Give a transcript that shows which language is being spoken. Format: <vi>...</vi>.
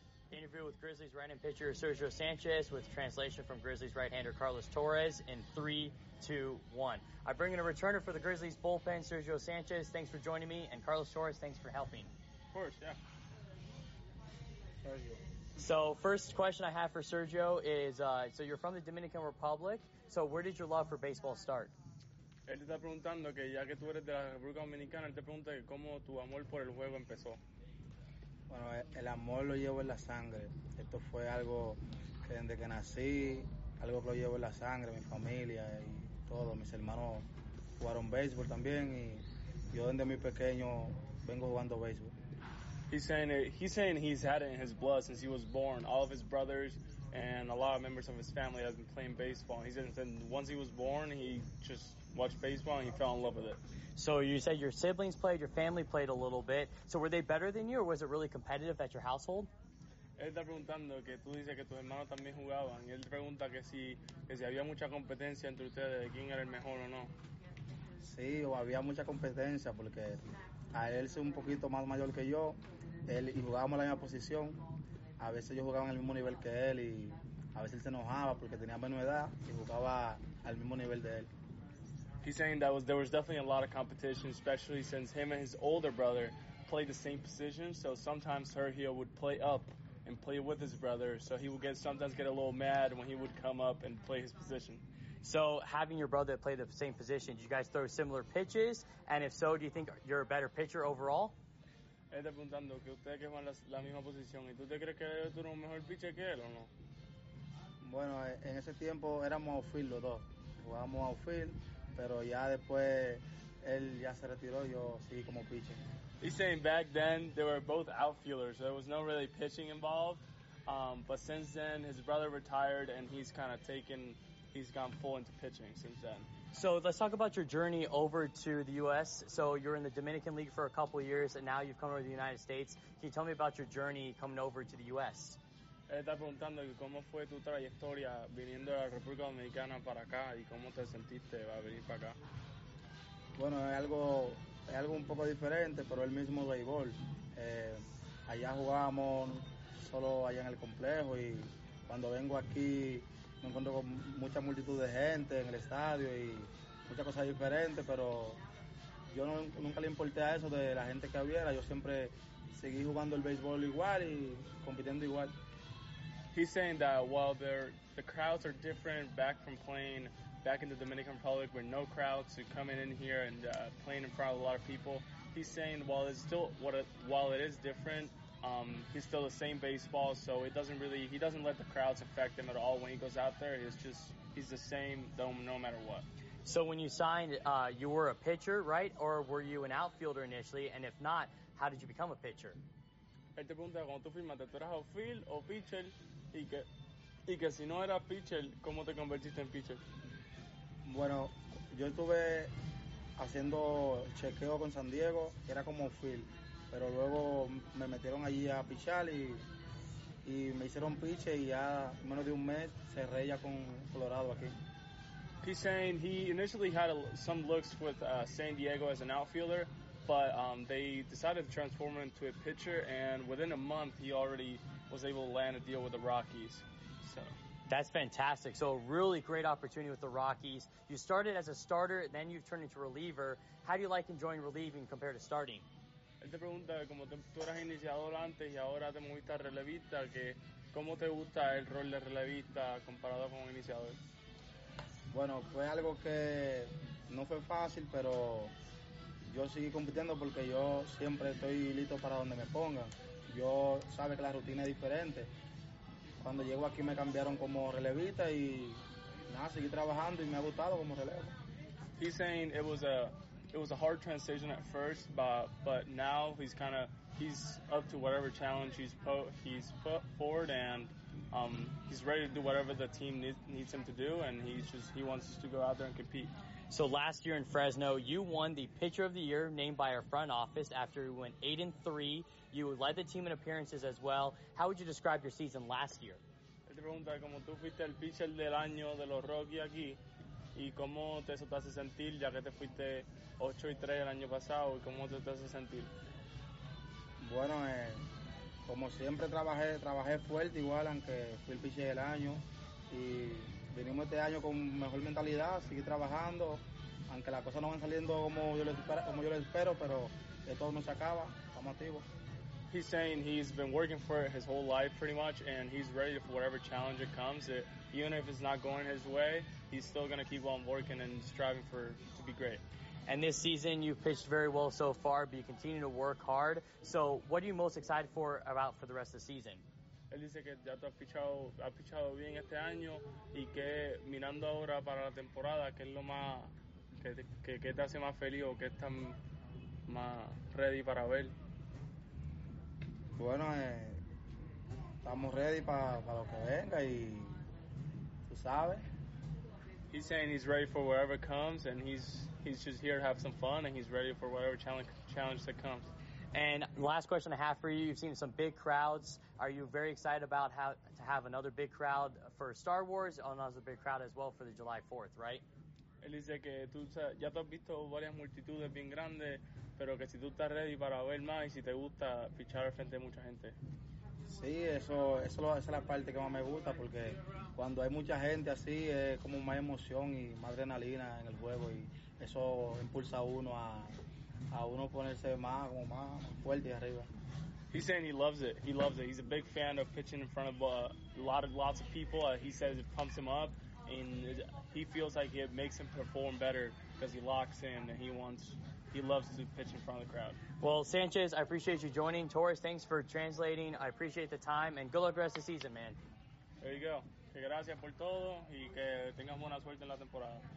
<en>Interview with Grizzlies right-hand pitcher Sergio Sanchez with translation from Grizzlies right-hander Carlos Torres in 3, 2, 1. I bring in a returner for the Grizzlies bullpen, Sergio Sanchez. Thanks for joining me. And Carlos Torres, thanks for helping. Of course, yeah. So, first question I have for Sergio is, so you're from the Dominican Republic. So, where did your love for baseball start?</en> <es>Él te está preguntando que ya que tú eres de la República Dominicana, él te pregunta que cómo tu amor por el juego empezó. Bueno, el amor lo llevo en la sangre. Esto fue algo que desde que nací, algo que lo llevo en la sangre, mi familia y todo. Mis hermanos jugaron béisbol también y yo desde muy pequeño vengo jugando béisbol.</es> <en>He's saying he's had it in his blood since he was born. All of his brothers and a lot of members of his family have been playing baseball. He said once he was born, he just watched baseball and he fell in love with it. So you said your siblings played, your family played a little bit. So were they better than you, or was it really competitive at your household?</en> <es>Él está preguntando que tú dices que tus hermanos también jugaban. Él pregunta que si había mucha competencia entre ustedes, quién era el mejor o no. Sí, había mucha competencia porque a él es un poquito más mayor que yo. Él y jugábamos la misma posición. A veces yo jugaba en el mismo nivel que él y a veces él se enojaba porque tenía menos edad y jugaba al mismo nivel de él.</es> <en>He's saying that there was definitely a lot of competition, especially since him and his older brother played the same position. So sometimes Sergio would play up and play with his brother. So he would sometimes get a little mad when he would come up and play his position. So having your brother play the same position, do you guys throw similar pitches? And if so, do you think you're a better pitcher overall?</en> <es>Él está preguntando que ustedes que van la misma posición, ¿y tú te crees que tú eres un mejor pitcher que él o no? Bueno, en ese tiempo éramos outfield los dos. Jugábamos outfield, pero ya después él ya se retiró, yo seguí como pitcher.</es> <en>He's saying back then they were both outfielders, so there was no really pitching involved. But since then his brother retired and he's gone full into pitching since then. So let's talk about your journey over to the U.S. So you're in the Dominican League for a couple of years, and now you've come over to the United States. Can you tell me about your journey coming over to the U.S.?</en> <es>Él está preguntando cómo fue tu trayectoria viniendo a la República Dominicana para acá y cómo te sentiste a venir para acá. Bueno, es algo un poco diferente, pero el mismo béisbol. Allá jugábamos solo allá en el complejo y cuando vengo aquí me encuentro con mucha multitud de gente en el estadio y muchas cosas diferentes, pero yo nunca le importé a eso de la gente que hubiera. Yo siempre seguí jugando el béisbol igual y compitiendo igual.</es> <en>He's saying that while the crowds are different back from playing back in the Dominican Republic with no crowds, so coming in here and playing in front of a lot of people, he's saying while it is different, he's still the same baseball, so he doesn't let the crowds affect him at all when he goes out there. He's the same though, no matter what. So when you signed, you were a pitcher, right? Or were you an outfielder initially? And if not, how did you become a pitcher?</en> <es>Él te pregunta cuando tú firmaste, ¿tú eras outfield o pitcher? Y que si no eras pitcher, ¿cómo te convertiste en pitcher? Bueno, yo estuve haciendo chequeo con San Diego, era como outfield. Pero luego me metieron allí a pichar y me hicieron pitcher y ya menos de un mes cerré ya con Colorado aquí.</es> <en>He's saying he initially had some looks with San Diego as an outfielder, but they decided to transform him into a pitcher, and within a month he already was able to land a deal with the Rockies. So that's fantastic. So a really great opportunity with the Rockies. You started as a starter, then you've turned into reliever. How do you like enjoying relieving compared to starting?</en> <es>Él te pregunta como tú eras iniciador antes y ahora te moviste a relevista, que cómo te gusta el rol de relevista comparado con iniciador. Bueno, fue algo que no fue fácil, pero yo seguí compitiendo porque yo siempre estoy listo para donde me pongan. Yo sabe que la rutina es diferente. Cuando llego aquí me cambiaron como relevista y nada, seguí trabajando y me ha gustado como relevo.</es> <en>He's saying it was a hard transition at first, but now he's up to whatever challenge he's put forward and he's ready to do whatever the team needs him to do, and he wants us to go out there and compete. So last year in Fresno, you won the Pitcher of the Year named by our front office after you went 8-3. You led the team in appearances as well. How would you describe your season last year?</en> <es>Él te pregunta cómo tú fuiste el pitcher del año de los Rockies aquí y cómo eso te hace sentir ya que te fuiste 8-3 el año pasado y cómo te hace sentir. Bueno, como siempre trabajé fuerte igual aunque fui el pitcher del año y vinimos este año con mejor mentalidad, seguir trabajando, aunque las cosas no van saliendo como yo lo espero, pero de todo no se acaba, estamos activos.</es> <en>He's saying he's been working for it his whole life pretty much, and he's ready for whatever challenge it comes. It, even if it's not going his way, he's still going to keep on working and striving for to be great. And this season, you've pitched very well so far, but you continue to work hard. So what are you most excited for about for the rest of the season?</en> <es>Él dice que ya te has pichado bien este año y que mirando ahora para la temporada, ¿qué es lo más, que te hace más feliz o que estás más ready para ver? Bueno, estamos ready para lo que venga y tú sabes.</es> <en>He's saying he's ready for whatever comes and he's just here to have some fun and he's ready for whatever challenge that comes. And last question I have for you, you've seen some big crowds. Are you very excited about how to have another big crowd for Star Wars, another big crowd as well for the July 4th, right?</en> <es>Él dice que tú ya te has visto varias multitudes bien grandes, pero que si tú estás ready para ver más y si te gusta fichar frente a mucha gente. Sí, eso es la parte que más me gusta, porque cuando hay mucha gente así es como más emoción y más adrenalina en el juego y eso impulsa a uno a uno ponerse más, como más fuerte arriba.</es> <en>He's saying he loves it. He loves it. He's a big fan of pitching in front of lots of people. He says it pumps him up, and he feels like it makes him perform better because he locks in and he loves to pitch in front of the crowd. Well, Sanchez, I appreciate you joining. Torres, thanks for translating. I appreciate the time, and good luck the rest of the season, man. There you go.</en> <es>Que gracias por todo y que tengas buena suerte en la temporada.</es>